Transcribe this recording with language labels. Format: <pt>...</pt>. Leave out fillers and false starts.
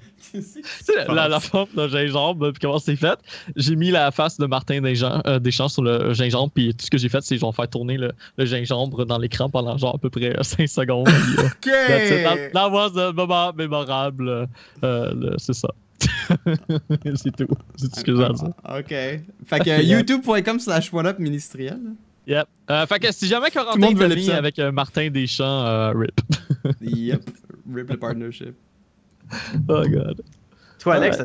<fr>Tu sais, la forme d'un gingembre, puis comment c'est fait. J'ai mis la face de Martin Deschamps sur le gingembre, puis tout ce que j'ai fait, c'est que je vais faire tourner le gingembre dans l'écran pendant genre à peu près 5 secondes. OK!</fr> <en>That was a moment mémorable.</en> <fr>C'est ça. C'est tout. C'est tout ce que j'ai à dire. OK. Fait que youtube.com/whatupministriel. Yep. Fait que si jamais Corentin est ami avec Martin Deschamps, rip. Yep. Rip le partnership.</fr> <en>Oh god.</en> <fr>Toi, Alex, ouais.</fr>